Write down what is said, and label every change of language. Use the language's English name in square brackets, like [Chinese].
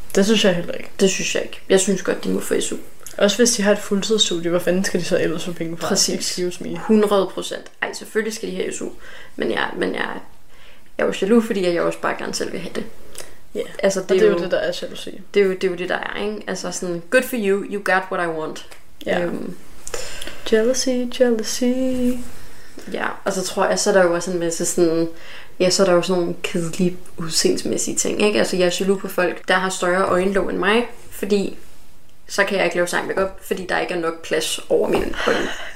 [Danish] Det synes jeg heller ikke. Det synes jeg ikke. Jeg synes godt, de må få SU. Også hvis de har et fuldtidsstudie, hvor fanden skal de så ellers få penge fra? Præcis. [English] Excuse me. [Danish] 100%. Ej, selvfølgelig skal de have SU. Men jeg er jo jaloux, fordi jeg også bare gerne selv vil have det. Ja, yeah. Altså, det er jo det, der er jalousi. Det er jo det, der er, ikke? Altså sådan, [English] good for you, you got what I want. [Danish] Ja. [English] Jealousy. [Danish] Ja, og så tror jeg, så er der jo også en masse sådan, ja, så er der jo sådan nogle kedelige udseendemæssige ting, ikke? Altså, jeg er jaloux på folk, der har større øjenlåg end mig, fordi så kan jeg ikke lave sang makeup, fordi der ikke er nok plads over min øjne.